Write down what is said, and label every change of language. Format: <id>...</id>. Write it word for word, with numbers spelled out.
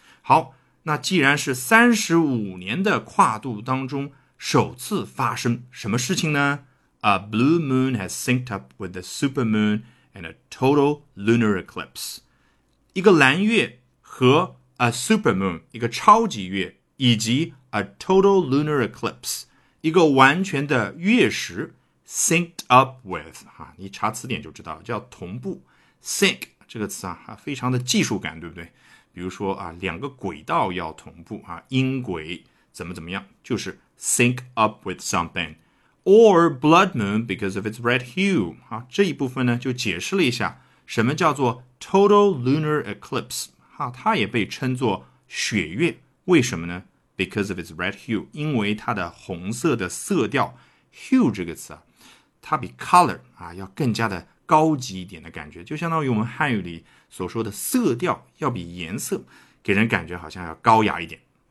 <zh>好，那既然是三十五年的跨度当中首次发生什么事情呢？</zh> <en>A blue moon has synced up with a supermoon and a total lunar eclipse.</en> <zh>一个蓝月和 a supermoon, 一个超级月，以及</zh> <en>a total lunar eclipse,</en> <zh>一个完全的月食</zh> <en>synced up with,</en> <zh>啊，你查词典就知道叫同步 sync 这个词啊，非常的技术感，对不对？比如说啊，两个轨道要同步啊，音轨怎么怎么样，就是</zh> <en>sync up with something. Or blood moon because of its red hue.</en> <zh>啊，这一部分呢就解释了一下什么叫做 total lunar eclipse. 啊，它也被称作血月，为什么呢？</zh> <en>Because of its red hue.</en> <zh>因为它的红色的色调 hue 这个词啊，它比 color 啊要更加的高级一点的感觉，就相当于我们汉语里所说的色调要比颜色给人感觉好像要高雅一点。</zh>